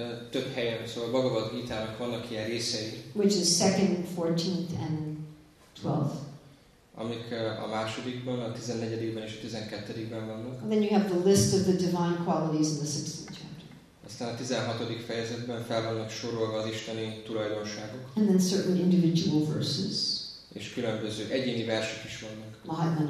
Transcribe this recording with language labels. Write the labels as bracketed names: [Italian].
[Hungarian] Több helyen, szóval a Bhagavad Gita-nak vannak ilyen részei. [English] Which is 2nd, 14th, and 12th. [Hungarian] Amik a másodikban, a 14-ben és a 12-ben vannak. [English] And then you have the list of the divine qualities in the 16th chapter. [Hungarian] Aztán a 16. fejezetben fel vannak sorolva az isteni tulajdonságok. [English] And then certain individual verses. [Hungarian] És különböző egyéni versek is vannak.